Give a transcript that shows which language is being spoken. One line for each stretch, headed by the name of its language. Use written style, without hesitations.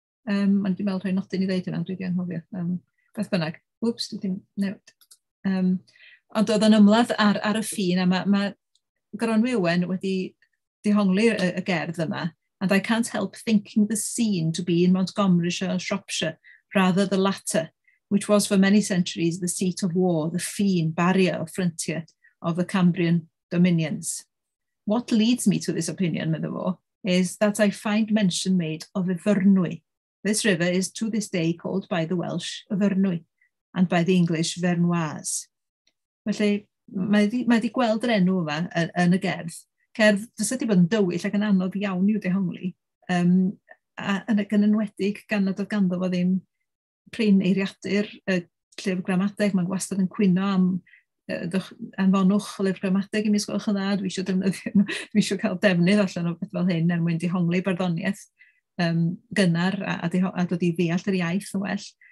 Welsh: Ond dwi'n meddwl rhoi nodyn i ddeud yna, dwi'n meddwl anghofio. Beth bynnag. Wps, dwi ddim newid. Ond oedd yn ymladd ar y ffin, a mae Goronwy Owen wedi dihongli y gerdd yma.
English: And I can't help thinking the scene to be in Montgomeryshire and Shropshire, rather the latter, which was for many centuries the seat of war, the ffin, barrier or frontier of the Cambrian dominions. What leads me to this opinion,
Welsh: meddwl fo,
English: is that I find mention made of Ffyrnwy. This river is to this day called by the Welsh Ffyrnwy and by the English Fernwaz.
Welsh: Felly, mae wedi gweld yr enw yma yn y gerdd. Cerdd, fysa wedi bod yn dywyll ac yn anodd iawn i'w dehongli. Yn enwedig gan nad oedd ganddo fo ddim prin eiriadur y llyfr gramadeg, mae'n wastad yn cwyno am anfonwch o lyfr gramadeg i mi sgwelwch yn dda, dwi eisiau cael defnydd allan o beth fel hyn er mwyn dihongli barddoniaeth gynnar a dod i ddeall yr iaith yn well.